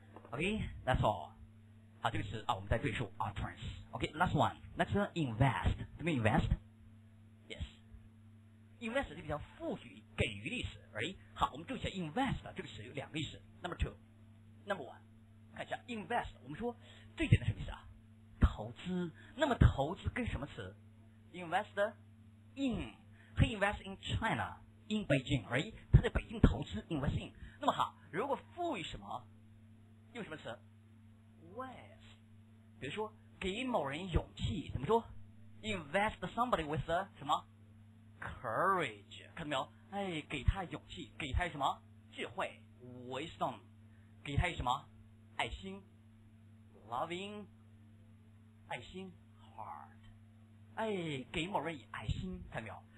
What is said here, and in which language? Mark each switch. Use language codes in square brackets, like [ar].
[en] Okay, that's all. [zh] 好，这个词啊，我们再赘述 utterance. [en] Okay, last one. Next one, invest. [zh] 怎么 [en] invest? Yes. [zh] Invest 是比较赋予、给予的意思。 [en] Right? [zh] 好，我们注意一下 invest 这个词有两个意思。 [en] Number two, number one, [zh] 看一下 [en] invest. [zh] 我们说最简单什么意思啊？投资。那么投资跟什么词 ？Invest in. [en] He invest in China, in Beijing. [zh] Right? 他在北京投资 invest in. 那么好，如果赋予什么？用什么词 ？With， 比如说给某人勇气，怎么说 ？ [en] Invest somebody with a [zh] 什么 courage， 看到没有？哎，给他勇气，给他什么智慧 wisdom， 给他什么爱心 loving， 爱心 heart， 哎，给某人以爱心，看到没有？